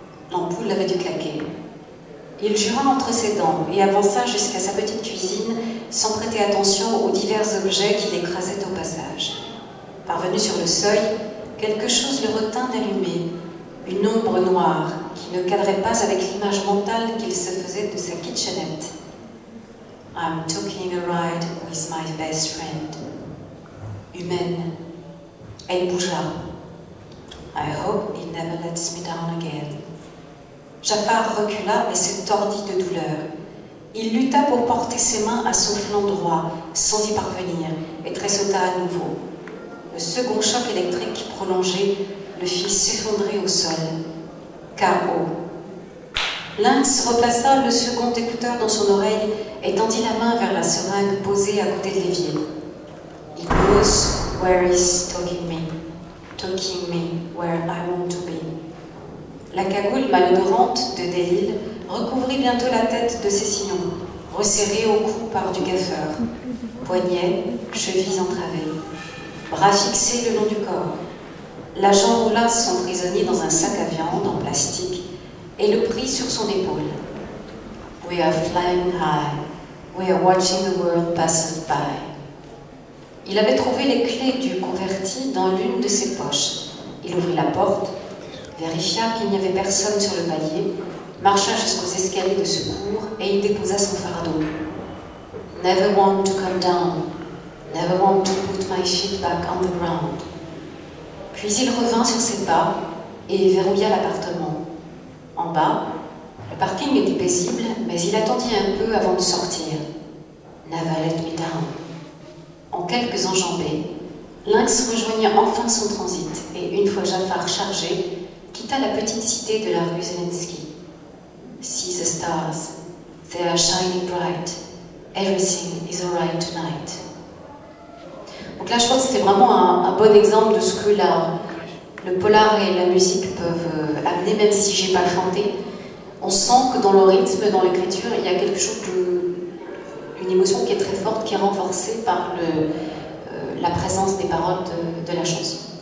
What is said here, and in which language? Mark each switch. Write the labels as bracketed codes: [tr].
[fr] L'ampoule avait dû claquer. Il jura entre ses dents et avança jusqu'à sa petite cuisine sans prêter attention aux divers objets qu'il écrasait au passage. Parvenu sur le seuil, quelque chose le retint d'allumer, une ombre noire qui ne cadrait pas avec l'image mentale qu'il se faisait de sa kitchenette. [en] I'm taking a ride with my best friend. [fr] Humaine. Elle bougea. [en] I hope he never lets me down again. [fr] Jafar recula et se tordit de douleur. Il lutta pour porter ses mains à son flanc droit, sans y parvenir, et tressauta à nouveau. Le second choc électrique prolongé le fit s'effondrer au sol. K.O. Lynx replaça le second écouteur dans son oreille et tendit la main vers la seringue posée à côté de l'évier. [en] It goes where he's talking me where I want to be. [fr] La cagoule malodorante de Delil recouvrit bientôt la tête de Cécillon, resserrée au cou par du gaffeur. Poignets, chevilles entravées, bras fixés le long du corps. L'agent roula son prisonnier dans un sac à viande en plastique et le prit sur son épaule. [en] We are flying high. We are watching the world pass us by. [fr] Il avait trouvé les clés du converti dans l'une de ses poches. Il ouvrit la porte. Vérifia qu'il n'y avait personne sur le palier, marcha jusqu'aux escaliers de secours et y déposa son fardeau. [en] Never want to come down. Never want to put my feet back on the ground. [fr] Puis il revint sur ses pas et verrouilla l'appartement. En bas, le parking était paisible, mais il attendit un peu avant de sortir. [en] Never let me down. [fr] En quelques enjambées, Lynx rejoignit enfin son transit et une fois Jafar chargé, quitta la petite cité de la rue Zelensky. [en] See the stars. They are shining bright. Everything is alright tonight. [fr] Donc là, je pense que c'est vraiment un bon exemple de ce que le polar et la musique peuvent amener, même si je n'ai pas chanté. On sent que dans le rythme, dans l'écriture, il y a quelque chose une émotion qui est très forte, qui est renforcée par la présence des paroles de la chanson.